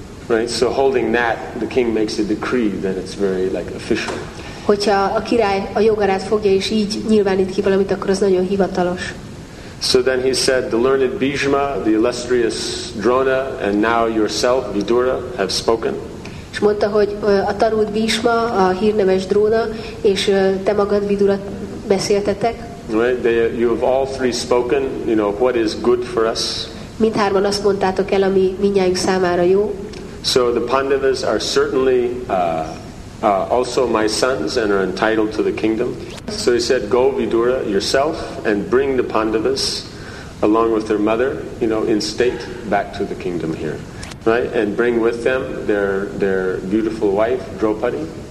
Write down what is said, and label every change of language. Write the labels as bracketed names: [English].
[English] Right, so holding that, the king makes a decree that it's very like official. [Hungarian] Hogyha a király a jogarát fogja és így nyilvánít ki valamit, akkor az nagyon hivatalos. [English] So then he said, the learned Bhishma, the illustrious Drona, and now yourself, Vidura, have spoken. [Hungarian] És mondta, hogy a tanult Bhishma, a hírneves Drona, és te magad, Vidura, beszéltetek. [English] Right, you have all three spoken, you know, what is good for us. [Hungarian] Mindhárman azt mondtátok el, ami mindnyájunk számára jó. [English] So the Pandavas are certainly also my sons and are entitled to the kingdom. So he said, go Vidura yourself and bring the Pandavas along with their mother, you know, in state back to the kingdom here. Right? And bring with them their beautiful wife, Draupadi.